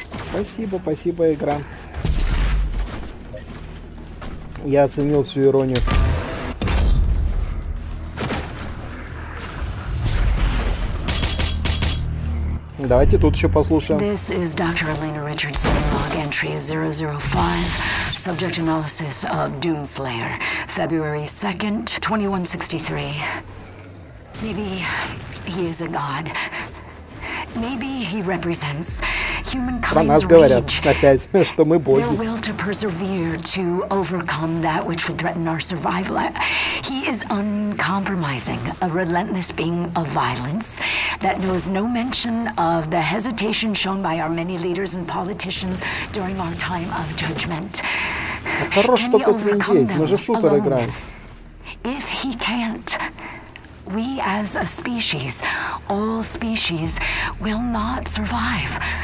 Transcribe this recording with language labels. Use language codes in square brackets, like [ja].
[ru] Спасибо, спасибо, игра. Я оценил всю иронию. Давайте тут еще послушаем. [en] This is Dr. Elena Richardson, log entry 005. Subject analysis of Doomslayer, February 2nd, 2163. Maybe he is a god. Maybe he represents humankind's rage. Their will to persevere, to overcome that which would threaten our survival. He is uncompromising, a relentless being of violence that knows no mention of the hesitation shown by our many leaders and politicians during our time of judgment. [ru] А хорош, что тут виндеть, мы же шутер играем. [en] If he can't, we as a species, all species, will not survive.